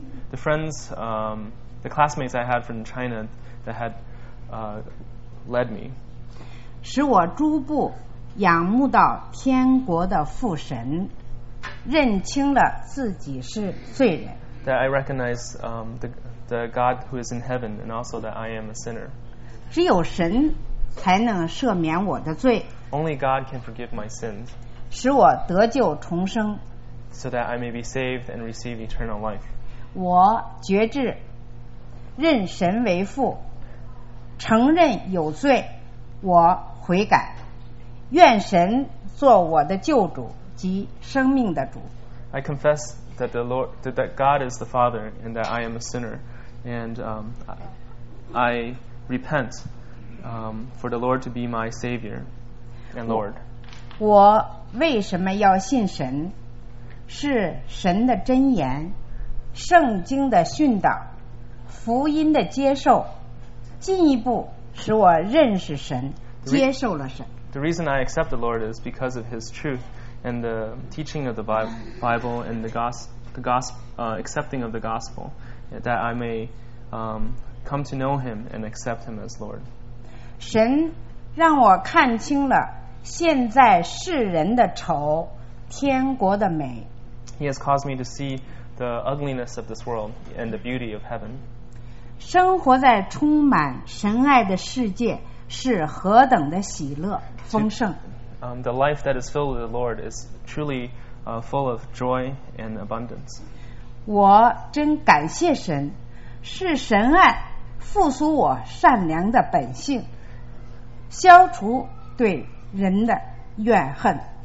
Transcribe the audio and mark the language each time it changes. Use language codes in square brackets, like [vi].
[en] The classmates I had from China that had led me. [zh] 使我逐步仰慕到天国的父神，认清了自己是罪人。 [en] That I recognize the God who is in heaven, and also that I am a sinner. [zh] 只有神才能赦免我的罪。 [en] Only God can forgive my sins. [zh] 使我得救重生。 [en] So that I may be saved and receive eternal life. [zh] 我决志认神为父，承认有罪，我悔改，愿神做我的救主及生命的主。 [en] I confess that the Lord, that God is the Father, and that I am a sinner, and I repent for the Lord to be my Savior and Lord. [zh] 我为什么要信神？是神的真言，圣经的训导，福音的接受，进一步使我认识神，接受了神。 [en] The reason I accept the Lord is because of His truth and the teaching of the Bible and accepting of the gospel, that I may come to know Him and accept Him as Lord. [zh] 神让我看清了现在世人的丑，天国的美。 [en] He has caused me to see the ugliness of this world and the beauty of heaven. [zh] 生活在充满神爱的世界是何等的喜乐丰盛。 [en] The life that is filled with the Lord is truly full of joy and abundance. [zh] 我真感谢神，是神爱复苏我善良的本性，消除对人的怨恨。